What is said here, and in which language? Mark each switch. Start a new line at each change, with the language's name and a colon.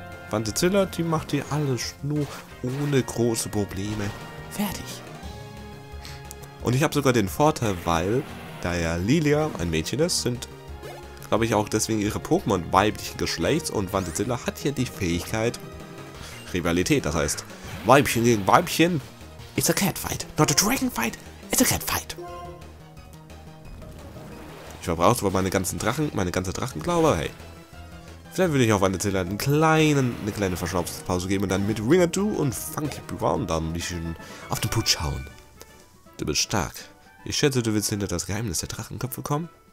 German: Fantizilla, die macht dir alles nur ohne große Probleme fertig. Und ich habe sogar den Vorteil, weil da ja Lilia ein Mädchen ist, sind, glaube ich, auch deswegen ihre Pokémon weiblichen Geschlechts. Und Fantizilla hat hier die Fähigkeit Rivalität, das heißt Weibchen gegen Weibchen.
English: It's a catfight, not a dragonfight, it's a catfight.
German: Ich verbrauche aber meine ganze Drachenklaue, hey. Vielleicht würde ich auf Fantizilla eine kleine Verschnaufspause geben und dann mit Ringadoo und Funky Brown dann ein bisschen auf den Putsch hauen. Du bist stark. Ich schätze, du willst hinter das Geheimnis der Drachenköpfe kommen.